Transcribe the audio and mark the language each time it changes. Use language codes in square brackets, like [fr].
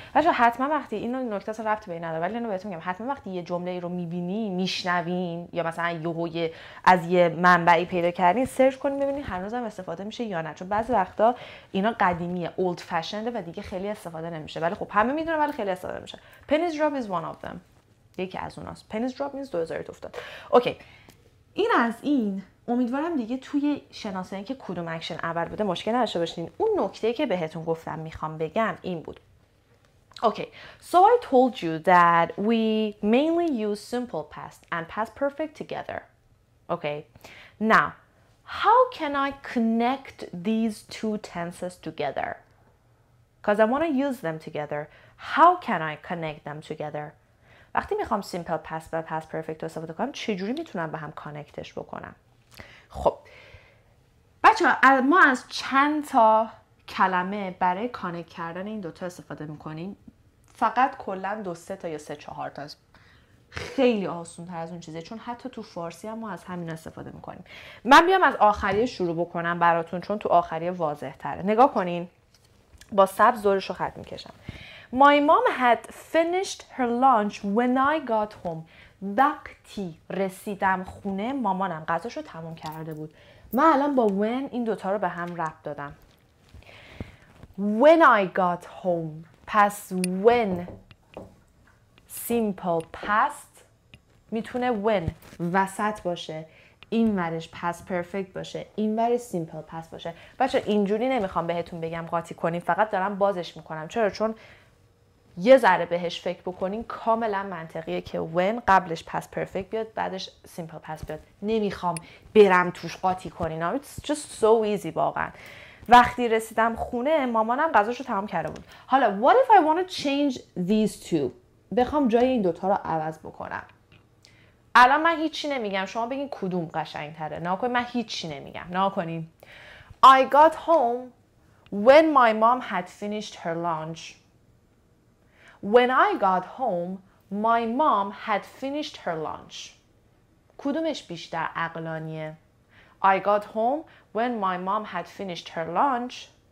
[fa] بچه حتما وقتی اینو نکته سر رفت به این نداره، ولی اینو بهتون میگم، حتما وقتی یه جمله رو میبینین میشنوین یا مثلا یهو از یه منبعی پیدا کردین، سرچ کنین ببینین هنوزم استفاده میشه یا نه، چون بعضی وقتا اینا قدیمیه، اولد فشنده و دیگه خیلی استفاده نمیشه، ولی خب همه میدونن ولی خیلی استفاده میشه. [en] pennies drop از one of them, [fa] یکی از اوناست. [en] pennies drop means [fa] دوزارت افتاد. اوکی، این از این. امیدوارم دیگه توی شناسایی که کدوم اکشن اول بوده مشکل نداشته باشین. اون نکته که بهتون گفتم میخوام بگم این بود. [en] Okay, so I told you that we mainly use simple past and past perfect together. Okay, now, how can I connect these two tenses together? Because I want to use them together. How can I connect them together? [fa] وقتی میخوام simple past و past perfect رو استفاده کنم، چجوری میتونم با هم کانکتش بکنم؟ خب بچه ها، ما از چند تا کلمه برای کانکت کردن این دوتا استفاده میکنیم. فقط کلن دو سه تا یا سه چهار تا، خیلی آسون تر از اون چیزه، چون حتی تو فارسی هم ما از همین استفاده میکنیم. من بیام از آخری شروع بکنم براتون، چون تو آخری واضح تره. نگاه کنین، با سبز دورش رو خط میکشم. [en] My mom had finished her lunch when I got home. [fa] وقتی رسیدم خونه، مامانم غذاشو تموم کرده بود. من الان با when این دوتا رو به هم ربط دادم. [en] When I got home. [fa] پس when simple past میتونه when وسط باشه، این ورش پس پرفکت باشه، این ورش سیمپل پس باشه. بچه اینجوری نمیخوام بهتون بگم قاطی کنیم، فقط دارم بازش میکنم. چرا؟ چون یه ذره بهش فکر بکنین کاملا منطقیه که when قبلش پس پرفکت بیاد بعدش سیمپل پس بیاد. نمیخوام برم توش قاطی کنین. [en] It's just so easy واقعا. [fa] وقتی رسیدم خونه، مامانم غذاشو تمام کرده بود. حالا [en] what if I want to change these two؟ [fa] بخوام جای این دوتا رو عوض بکنم. الان من هیچی نمیگم، شما بگین کدوم قشنگ تره. نها کنیم، من هیچی نمیگم، نها کنیم. [en] I got home when my mom had finished her lunch. When I got home, my mom had finished her lunch. [fa] کدومش بیشتر عقلانیه؟ [en] I got home when my mom had finished her lunch.